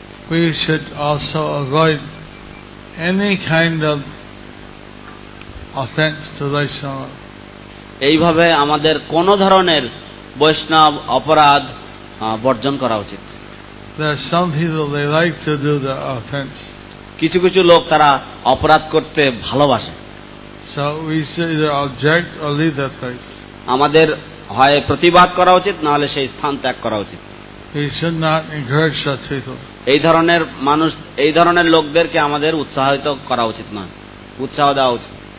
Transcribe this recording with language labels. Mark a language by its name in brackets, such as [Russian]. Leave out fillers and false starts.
[English] We should also avoid any kind of offense to Vaishnava. [Bangla] এইভাবে আমাদের কোন ধরনের বৈষ্ণব অপরাধ বর্জন করা উচিত। [English] There are some people they like to do the offense. [Bangla] কিছু কিছু লোক তারা অপরাধ করতে ভালোবাসে। [English] So we should either object or leave that place. [Bangla] আমাদের হয় প্রতিবাদ করা উচিত না হলে সেই স্থান ত্যাগ করা উচিত। [English] We should not encourage such people. [Bangla] এই ধরনের মানুষ, এই ধরনের লোকদেরকে আমাদের উৎসাহিত করা উচিত না, উৎসাহ দেওয়া উচিত।